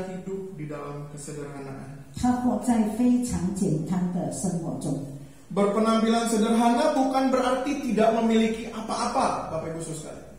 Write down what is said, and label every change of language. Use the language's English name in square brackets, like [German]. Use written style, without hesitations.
[Indonesian] hidup di dalam kesederhanaan. [Chinese] 他活在非常简单的生活中. [Indonesian] Berpenampilan sederhana bukan berarti tidak memiliki apa-apa, Bapak Ibu Saudara.